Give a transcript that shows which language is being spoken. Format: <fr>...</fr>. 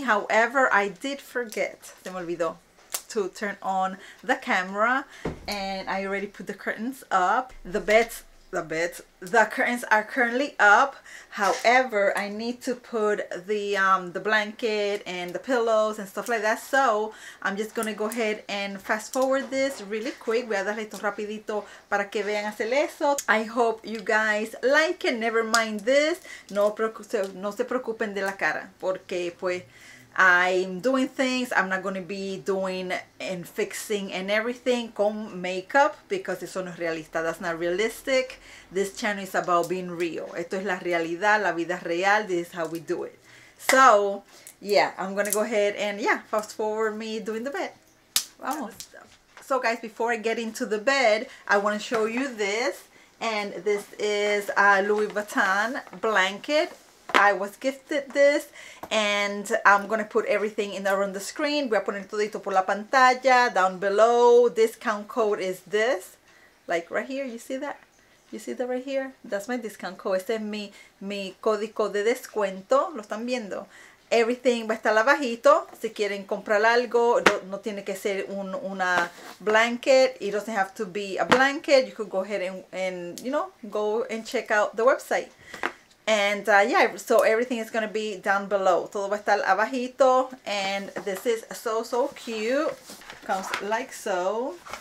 <en>However, I did forget, se me olvidó, to turn on the camera, and I already put the curtains up. The curtains are currently up. However, I need to put the blanket and the pillows and stuff like that. So I'm just gonna go ahead and fast forward this really quick.</en> <es>Voy a darle esto rapidito para que vean hacer eso.</es> <en>I hope you guys like it. Never mind this. No se preocupen de la cara, porque pues I'm doing things. I'm not gonna be doing and fixing and everything con makeup, because eso no es realista. That's not realistic. This channel is about being real.</en> <es>Esto es la realidad, la vida real. This is how we do it.</es> <en>So, yeah, I'm gonna go ahead and yeah, fast forward me doing the bed. Vamos. So guys, before I get into the bed, I wanna show you this. And this is a Louis Vuitton blanket. I was gifted this, and I'm gonna put everything in around the screen. Voy a poner todito por la pantalla, down below. Discount code is this, like right here, you see that? You see that right here? That's my discount code.</en> <es>Este es mi código de descuento, lo están viendo. Everything va a estar abajito. Si quieren comprar algo, no tiene que ser una blanket.</es> <en>It doesn't have to be a blanket. You could go ahead and you know, go and check out the website. And yeah, so everything is gonna be down below. Todo va a estar abajito. And this is so, so cute. Comes like so.</en>